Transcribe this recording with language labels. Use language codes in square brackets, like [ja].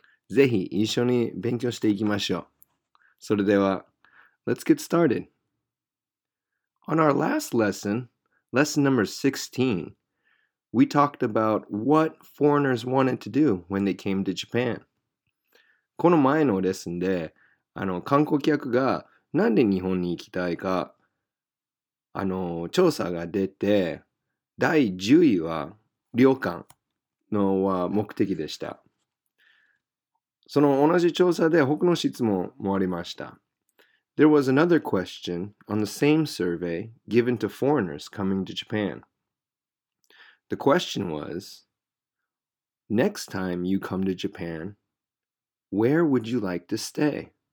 [ja] ぜひ一緒に勉強していきましょう。それでは、 [en] Let's get started. On our last lesson, lesson number 16,We talked about what foreigners wanted to do when they came to Japan. [ja] この前のレッスンで、観光客がなんで日本に行きたいか、調査が出て、第10位は旅館の目的でした。その同じ調査で他の質問もありました。 [en] There was another question on the same survey given to foreigners coming to Japan. The question was, next time you come to Japan, where would you like to stay?